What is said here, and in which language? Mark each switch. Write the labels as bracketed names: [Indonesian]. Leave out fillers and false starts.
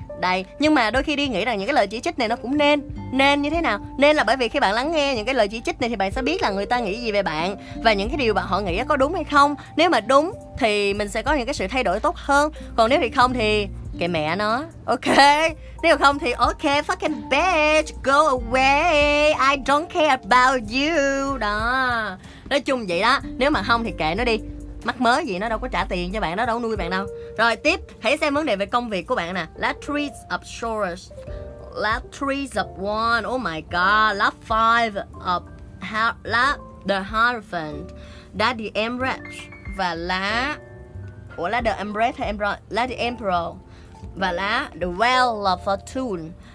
[Vietnamese] Đây, nhưng mà đôi khi đi nghĩ rằng những cái lời chỉ trích này nó cũng nên. Nên như thế nào? Nên là bởi vì khi bạn lắng nghe những cái lời chỉ trích này thì bạn sẽ biết là người ta nghĩ gì về bạn và những cái điều mà họ nghĩ có đúng hay không. Nếu mà đúng thì mình sẽ có những cái sự thay đổi tốt hơn. Còn nếu thì không thì kệ mẹ nó. [English] Ok. [Vietnamese] Nếu không thì [English] ok, fucking bitch, go away, I don't care about you. [Vietnamese] Đó. Nói chung vậy đó. Nếu mà không thì kệ nó đi. Mắc mớ gì, nó đâu có trả tiền cho bạn, nó đâu nuôi bạn đâu. Rồi tiếp, hãy xem vấn đề về công việc của bạn nè. Lá Tree of Swords, lá Tree of Wands, [English] oh my god, [Vietnamese] lá Five of lá The Hierophant, lá The Empress và lá, ủa lá The Empress hay Emperor, lá The Emperor và lá The Well of Fortune.